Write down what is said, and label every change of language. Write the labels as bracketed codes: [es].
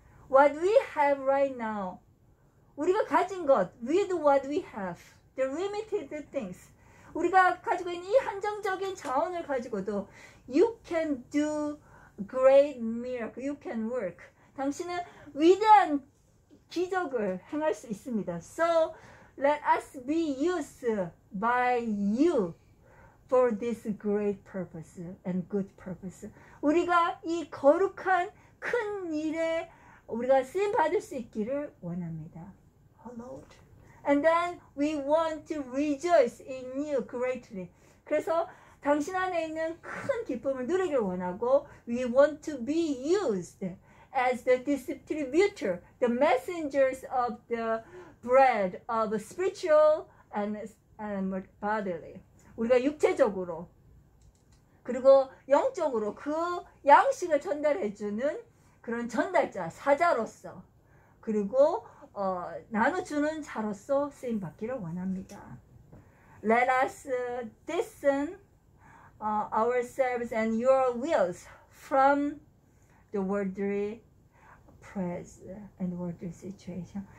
[en] What we have right now, [ko] 우리가 가진 것, [en] with what we have, the limited things, [ko] 우리가 가지고 있는 이 한정적인 자원을 가지고도 [en] you can do great miracle, you can work. [ko] 당신은 위대한 기적을 행할 수 있습니다. [en] So let us be used by you for this great purpose and good purpose. [ko] 우리가 이 거룩한 큰 일에 우리가 쓰임 받을 수 있기를 원합니다. [en] Oh Lord. And then we want to rejoice in you greatly. [ko] 그래서 당신 안에 있는 큰 기쁨을 누리길 원하고 [en] we want to be used as the distributor, the messengers of the bread of spiritual and bodily. [ko] 우리가 육체적으로 그리고 영적으로 그 양식을 전달해 주는 그런 전달자, 사자로서 그리고 나눠주는 자로서 쓰임 받기를 원합니다. [en] Let us discern ourselves and your wills from the worldly praise and worldly situation.